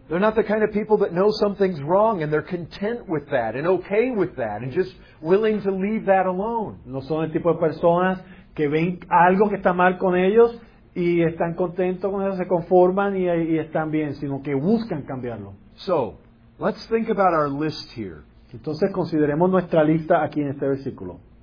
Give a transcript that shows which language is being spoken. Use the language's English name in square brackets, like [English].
[English] They're not the kind of people that know something's wrong and they're content with that and okay with that and just willing to leave that alone. [Spanish] No son el tipo de personas que ven algo que está mal con ellos y están contentos con eso, se conforman y están bien, sino que buscan cambiarlo. [English] So, let's think about our list here. [Spanish] Entonces, consideremos nuestra lista aquí en este versículo.